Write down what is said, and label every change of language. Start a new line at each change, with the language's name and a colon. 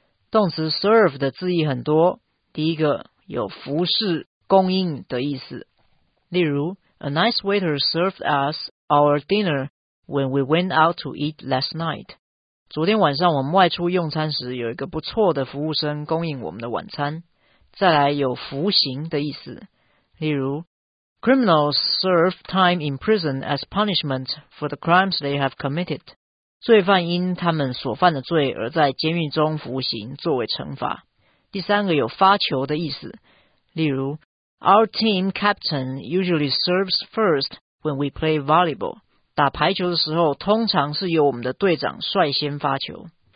Chinese: 动词 serve 的字义很多，第一个有服侍供应的意思，例如
English: A nice waiter served us our dinner when we went out to eat last night.
Chinese: 昨天晚上我们外出用餐时，有一个不错的服务生供应我们的晚餐。再来有服刑的意思，例如
English: Criminals serve time in prison as punishment for the crimes they have committed.
Chinese: 罪犯因他们所犯的罪而在监狱中服刑作为惩罚。第三个有发球的意思，例如
English: Our team captain usually serves first when we play volleyball.
Chinese: 打排球的时候，通常是由我们的队长率先发球。